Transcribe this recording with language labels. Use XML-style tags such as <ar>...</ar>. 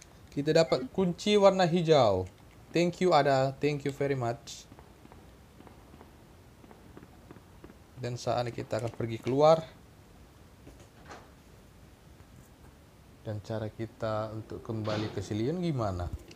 <id>Kita dapat kunci warna hijau.</id> <en>Thank you Ada, thank you very much.</en> <id>Dan saat ini kita akan pergi keluar. Dan cara kita untuk kembali ke Silion gimana?</id>